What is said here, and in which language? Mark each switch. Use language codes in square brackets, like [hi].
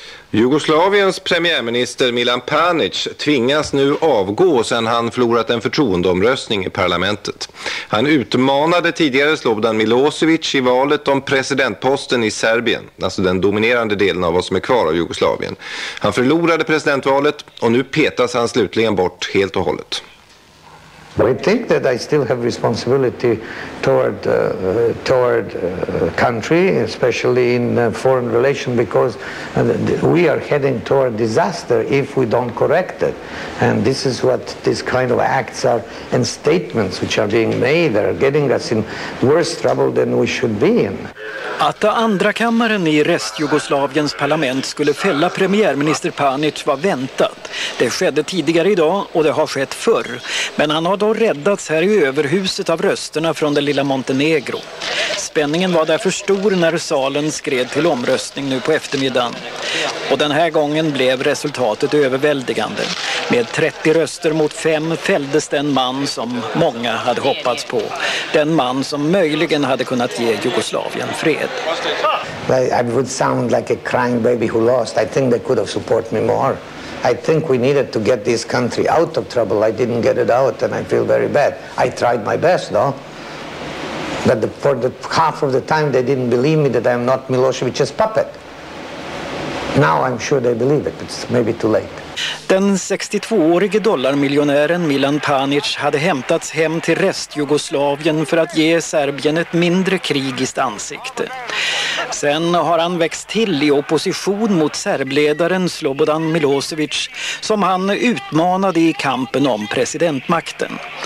[sv] Jugoslaviens premiärminister Milan Panic tvingas nu avgå sedan han förlorat en förtroendeomröstning i parlamentet. Han utmanade tidigare Slobodan Milosevic i valet om presidentposten i Serbien, alltså den dominerande delen av vad som är kvar av Jugoslavien. Han förlorade presidentvalet och nu petas han slutligen bort helt och hållet. [en] I think that I still have responsibility toward country, especially in foreign relation, because we are heading toward disaster if we don't correct it. And this is what these kind of acts are and statements which are being made are getting us in worse trouble than we should be in. [sv] Att andra kammaren i Restjugoslaviens parlament skulle fälla premiärminister Panic var väntat. Det skedde tidigare idag och det har skett förr. Men han har då räddats här i överhuset av rösterna från det lilla Montenegro. Spänningen var därför stor när salen skred till omröstning nu på eftermiddagen. Och den här gången blev resultatet överväldigande. Med 30 röster mot 5 fälldes den man som många hade hoppats på. Den man som möjligen hade kunnat ge Jugoslavien fred. [en] I would sound like a crying baby who lost. I think they could have supported me more. I think we needed to get this country out of trouble. I didn't get it out and I feel very bad. I tried my best though. But for the half of the time they didn't believe me that I'm not Milosevic's puppet. Now I'm sure they believe it, but it's maybe too late. [sv] Den 62-årige dollarmiljonären Milan Panic hade hämtats hem till Restjugoslavien för att ge Serbien ett mindre krigiskt ansikte. Sen har han växt till i opposition mot serbledaren Slobodan Milosevic som han utmanade i kampen om presidentmakten.